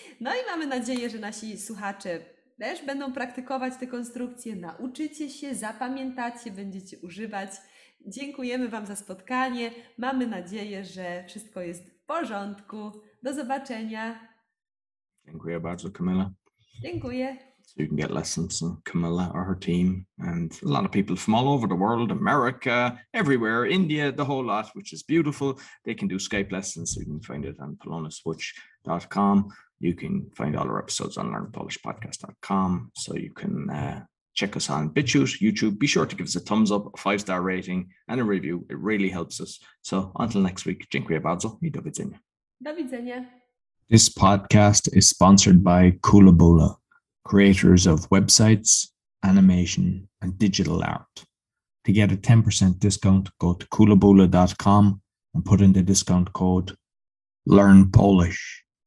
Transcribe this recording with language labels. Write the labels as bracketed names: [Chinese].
[Polish] No i mamy nadzieję, że nasi słuchacze też będą praktykować te konstrukcje. Nauczycie się, zapamiętacie, będziecie używać. Dziękujemy Wam za spotkanie. Mamy nadzieję, że wszystko jest w porządku. Do zobaczenia. Dziękuję bardzo, Kamila. Dziękuję. [English] So you can get lessons from Kamila or her team and a lot of people from all over the world, America, everywhere, India, the whole lot, which is beautiful. They can do Skype lessons. You can find it on polonaswitch.com. You can find all our episodes on learnpolishpodcast.com. So you can check us on BitChute, YouTube. Be sure to give us a thumbs up, a 5-star rating and a review. It really helps us. So until next week, [Polish] dziękuję bardzo i do widzenia. Do widzenia. [English] This podcast is sponsored by Koolaboola, creators of websites, animation, and digital art. To get a 10% discount, go to koolaboola.com and put in the discount code LearnPolish.